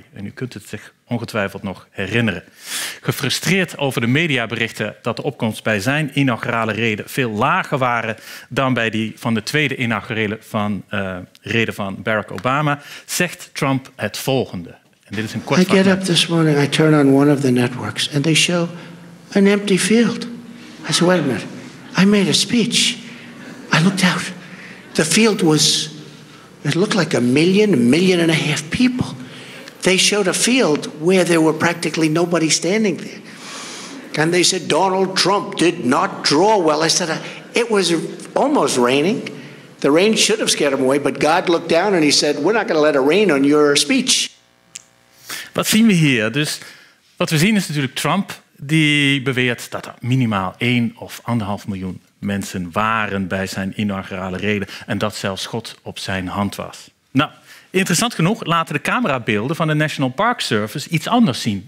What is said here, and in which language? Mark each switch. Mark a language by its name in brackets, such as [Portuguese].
[Dutch] En u kunt het zich ongetwijfeld nog herinneren. Gefrustreerd over de mediaberichten dat de opkomst bij zijn inaugurale rede veel lager waren dan bij die van de tweede inaugurale rede van Barack Obama, zegt Trump het volgende. En dit is een kort fragment. [English] I get up this morning, I turn on one of the networks and they show an empty field. I said, wait a minute, I made a speech. I looked out. The field was, it looked like a million and a half people. They showed a field where there were practically nobody standing there. And they said, Donald Trump did not draw well. I said, it was almost raining. The rain should have scared him away, but God looked down and he said, we're not going to let it rain on your speech. [Dutch] Wat zien we hier? Dus wat we zien is natuurlijk Trump die beweert dat er minimaal 1 of 1,5 miljoen mensen waren bij zijn inaugurale rede en dat zelfs God op zijn hand was. Nou, interessant genoeg laten de camerabeelden van de National Park Service iets anders zien.